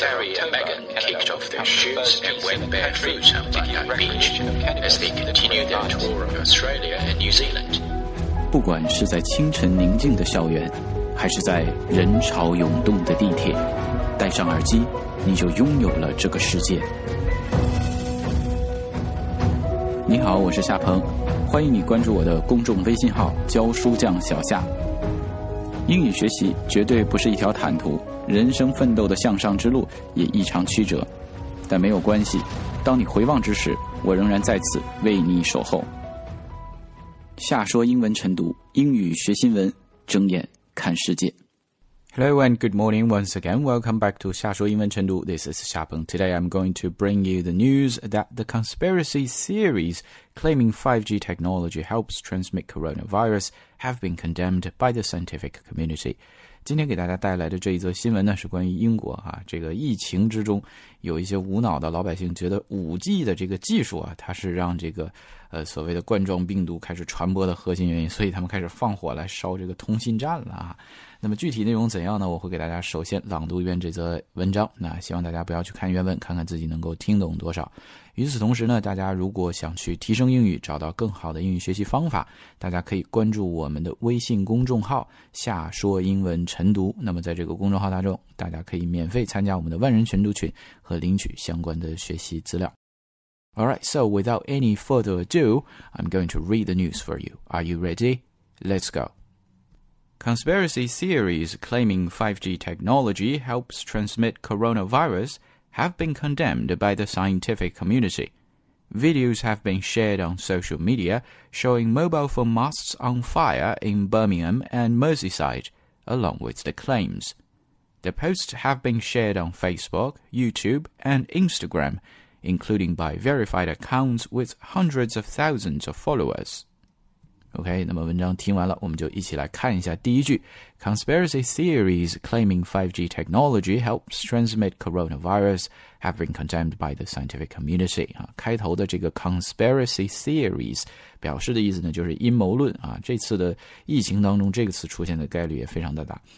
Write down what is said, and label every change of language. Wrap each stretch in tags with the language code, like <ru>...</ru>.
<en>Harry and Meghan kicked off their shoots and went barefoot on Bondi Beach as they continued their tour of Australia and New Zealand.</en> <zh>不管是在清晨宁静的校园，还是在人潮涌动的地铁，戴上耳机，你就拥有了这个世界。你好，我是夏鹏，欢迎你关注我的公众微信号“教书匠小夏”。英语学习绝对不是一条坦途，人生奋斗的向上之路也异常曲折，但没有关系，当你回望之时，我仍然在此为你守候。夏说英文晨读，英语学新闻，睁眼看世界。</zh> <en>Hello and good morning once again. Welcome back to 夏说英文晨读.This is 夏鹏. Today I'm going to bring you the news that the conspiracy theories claiming 5G technology helps transmit coronavirus have been condemned by the scientific community.</en> <zh>今天给大家带来的这一则新闻呢，是关于英国啊，这个疫情之中有一些无脑的老百姓觉得 5G 的这个技术啊，它是让这个所谓的冠状病毒开始传播的核心原因，所以他们开始放火来烧这个通信站了啊。那么具体内容怎样呢？我会给大家首先朗读一遍这则文章。那希望大家不要去看原文，看看自己能够听懂多少。与此同时呢，大家如果想去提升英语，找到更好的英语学习方法，大家可以关注我们的微信公众号“夏说英文晨读”。那么在这个公众号当中，大家可以免费参加我们的万人晨读群和领取相关的学习资料。</zh> <en>All right, so without any further ado, I'm going to read the news for you. Are you ready? Let's go. Conspiracy theories claiming 5G technology helps transmit coronavirus have been condemned by the scientific community. Videos have been shared on social media showing mobile phone masts on fire in Birmingham and Merseyside, along with the claims. The posts have been shared on Facebook, YouTube, and Instagram, including by verified accounts with hundreds of thousands of followers.</en> <zh>OK, 那么文章听完了，我们就一起来看一下第一句。</zh> <en>Conspiracy theories claiming 5G technology helps transmit coronavirus have been condemned by the scientific community.、</en> <zh>啊、开头的这个 conspiracy theories 表示的意思呢，就是阴谋论、啊、这次的疫情当中，这个词出现的概率也非常的大。</zh>